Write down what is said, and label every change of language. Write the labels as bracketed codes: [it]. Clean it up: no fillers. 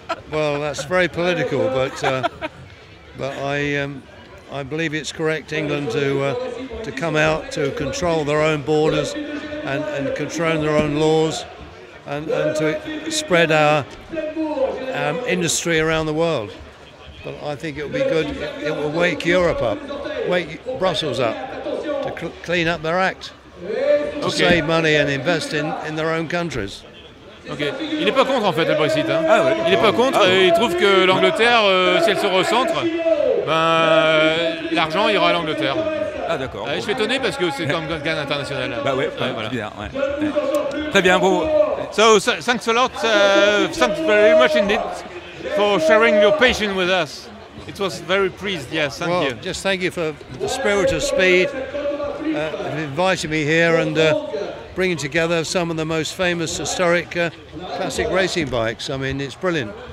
[en] Well, that's very political, but I believe it's correct England to come out, to control their own borders and control their own laws and to spread our industry around the world. But I think it will be good, it will wake Europe up, wake Brussels up to clean up their act, to save money and invest in their own countries. Okay. [fr] Il n'est pas contre en fait le Brexit. Hein. Ah ouais. Il n'est pas contre. Ah ouais. Il trouve que l'Angleterre, si elle se recentre, ben, l'argent ira à l'Angleterre. Ah d'accord. Je suis étonné parce que c'est comme gain international. Bah ouais, ouais, voilà. Bien, ouais. Ouais. Très bien. Bon. [en] So thanks a lot. Thanks very much indeed for sharing your patience with us. It was very pleased. Yes, thank well, you. Just thank you for the spirit of speed, inviting me here and. Bringing together some of the most famous historic classic racing bikes. I mean, it's brilliant.